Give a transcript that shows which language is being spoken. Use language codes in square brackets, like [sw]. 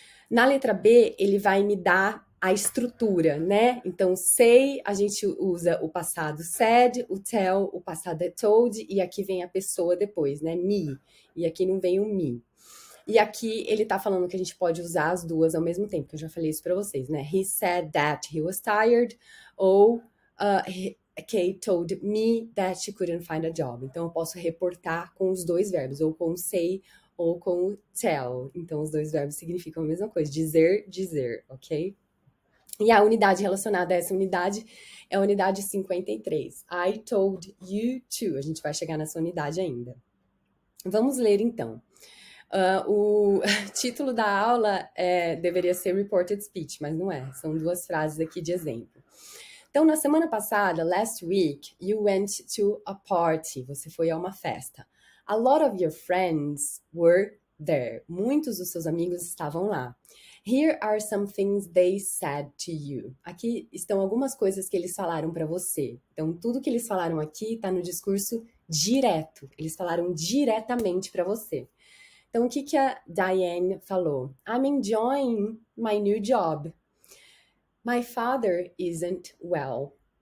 [pt] Na letra B, ele vai me dar a estrutura, né? Então, say, a gente usa o passado said, o tell, o passado é told, e aqui vem a pessoa depois, né? Me. E aqui não vem o me. E aqui ele tá falando que a gente pode usar as duas ao mesmo tempo, que eu já falei isso para vocês, né? [en] He said that he was tired, ou Kay told me that she couldn't find a job. [pt] Então eu posso reportar com os dois verbos, ou com say ou com tell. Então os dois verbos significam a mesma coisa, dizer, ok? E a unidade relacionada a essa unidade é a unidade 53. [en] I told you to. [pt] A gente vai chegar nessa unidade ainda. Vamos ler então. O título da aula deveria ser Reported Speech, mas não é. [en] São duas frases aqui de exemplo. [pt] Então, na semana passada, [en] last week, you went to a party. [pt] Você foi a uma festa. [en] A lot of your friends were there. [pt] Muitos dos seus amigos estavam lá. [en] Here are some things they said to you. [pt] Aqui estão algumas coisas que eles falaram para você. Então, tudo que eles falaram aqui está no discurso direto. Eles falaram diretamente para você. Então, o que que a Diane falou? [en] I'm enjoying my new job. My father isn't well.